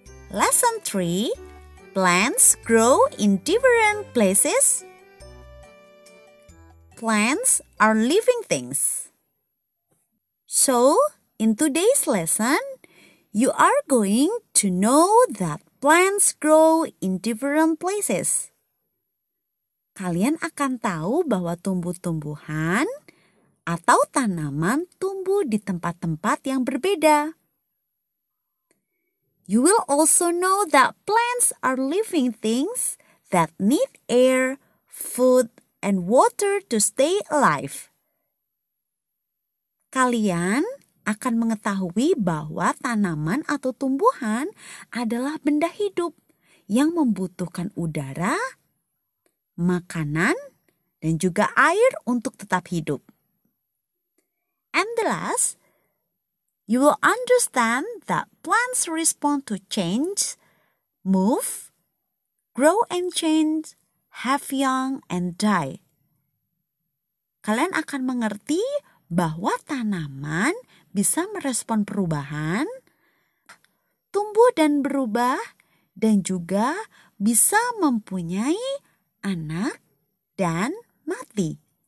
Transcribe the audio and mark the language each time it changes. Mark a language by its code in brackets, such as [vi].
[en] Lesson 3, plants grow in different places. Plants are living things. So, in today's lesson, you are going to know that plants grow in different places. [id] Kalian akan tahu bahwa tumbuh-tumbuhan atau tanaman tumbuh di tempat-tempat yang berbeda. [en] You will also know that plants are living things that need air, food, and water to stay alive. [id] Kalian akan mengetahui bahwa tanaman atau tumbuhan adalah benda hidup yang membutuhkan udara, makanan, dan juga air untuk tetap hidup. [en] And the last, you will understand that plants respond to change, move, grow and change, have young and die. [id] Kalian akan mengerti bahwa tanaman bisa merespon perubahan, tumbuh dan berubah, dan juga bisa mempunyai anak dan mati.